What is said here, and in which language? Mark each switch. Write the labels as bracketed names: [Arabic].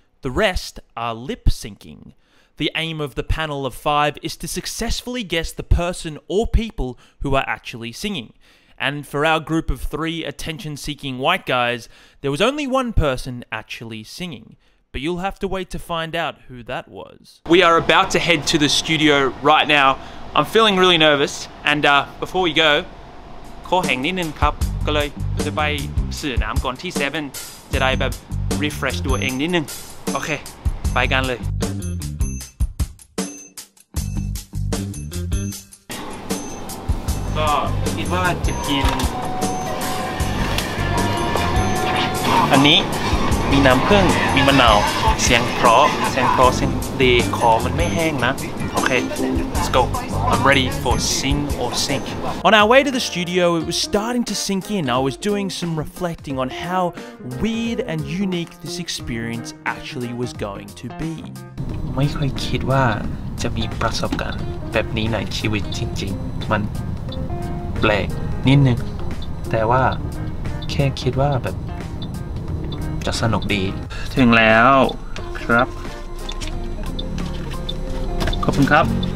[English] The rest are lip-syncing. The aim of the panel of five is to successfully guess the person or people who are actually singing. And for our group of three attention-seeking white guys, there was only one person actually singing. But you'll have to wait to find out who that was. We are about to head to the studio right now. I'm feeling really nervous, and before we go, [Thai] ขอแห่งนิดนึงครับก็เลยจะไปซื้อน้ำก่อนที่เซเว่นจะได้แบบรีเฟรชตัวเองนิดนึงโอเคไปกันเลย ก็คิดว่าจะกินอันนี้มีน้ำผึ้งมีมะนาวเสียงเพราะเสียงเพราะเสียงดีคอมันไม่แห้งนะโอเค [English] Let's go. I'm ready for Sing or Sink. On our way to the studio, it was starting to sink in. I was doing some reflecting on how weird and unique this experience actually was going to be. [Thai] ไม่เคยคิดว่าจะมีประสบการณ์แบบนี้ในชีวิตจริงๆมันแปลกนิดนึงแต่ว่าแค่คิดว่าแบบจะสนุกดี ถึงแล้วครับขอบคุณครับ